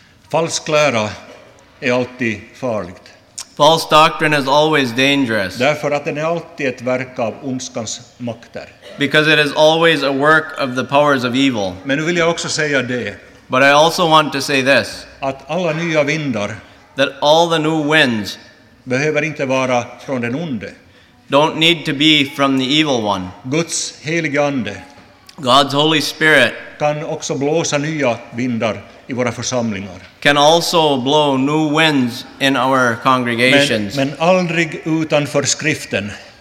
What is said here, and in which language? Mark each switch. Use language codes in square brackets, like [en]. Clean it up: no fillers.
[sv] Falsk lära är alltid farligt. [en] False doctrine is always dangerous. [sv] Därför att den är alltid ett verk av ondskans makter. [en] Because it is always a work of the powers of evil. [sv] Men nu vill jag också säga det. [en] But I also want to say this. [sv] Att alla nya vindar. [en] That all the new winds. [sv] Behöver inte vara från den onde. [en] Don't need to be from the evil one. [sv] Guds helige ande. [en] God's Holy Spirit. [sv] Kan också blåsa nya vindar i våra församlingar. [en] Can also blow new winds in our congregations. [sv] Men aldrig utanför skriften.